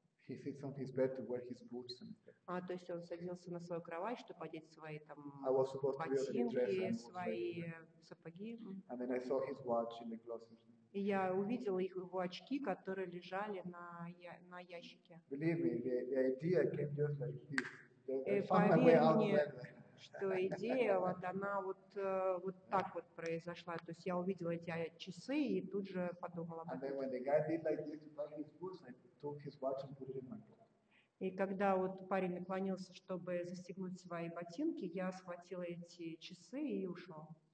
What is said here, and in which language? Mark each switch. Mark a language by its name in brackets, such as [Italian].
[English] He sits on his bed to wear his boots and. [Russian] А то есть он садился на свою кровать, чтобы одеть свои там ботинки, свои сапоги. [English] And then I saw his watch in the closet. [Russian] И я увидела их его очки, которые лежали на ящике. [English] Believe me, the idea came just like this. [Russian] Что идея вот она вот так вот произошла. То есть я увидела эти часы и тут же подумала об этом. И когда вот парень наклонился, чтобы застегнуть свои ботинки, я схватила эти часы и ушел.